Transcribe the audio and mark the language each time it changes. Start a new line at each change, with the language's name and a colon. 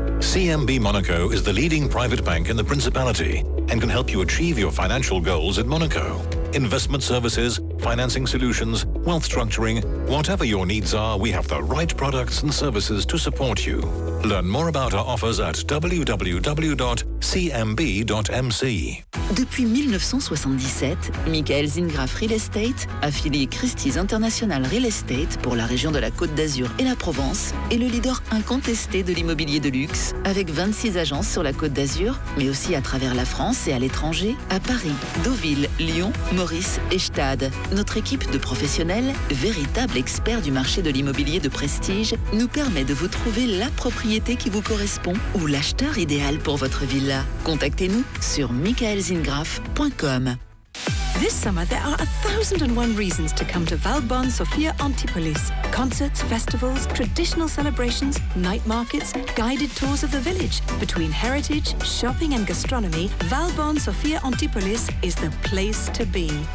English: CMB Monaco is the leading private bank in the Principality and can help you achieve your financial goals in Monaco. Investment services, financing solutions, wealth structuring, whatever your needs are, we have the right products and services to support you. Learn more about our offers at www.cmb.mc.
French: Depuis 1977, Michael Zingraf Real Estate, affilié Christie's International Real Estate pour la région de la Côte d'Azur et la Provence, est le leader incontesté de l'immobilier de luxe, avec 26 agences sur la Côte d'Azur, mais aussi à travers la France et à l'étranger, à Paris, Deauville, Lyon, Maurice et Stad. Notre équipe de professionnels, véritables experts du marché de l'immobilier de prestige, nous permet de vous trouver la propriété qui vous correspond ou l'acheteur idéal pour votre villa. Contactez-nous sur michaelzingraf.com.
English: This summer there are 1,001 reasons to come to Valbonne Sophia Antipolis. Concerts, festivals, traditional celebrations, night markets, guided tours of the village. Between heritage, shopping and gastronomy, Valbonne Sophia Antipolis is the place to be.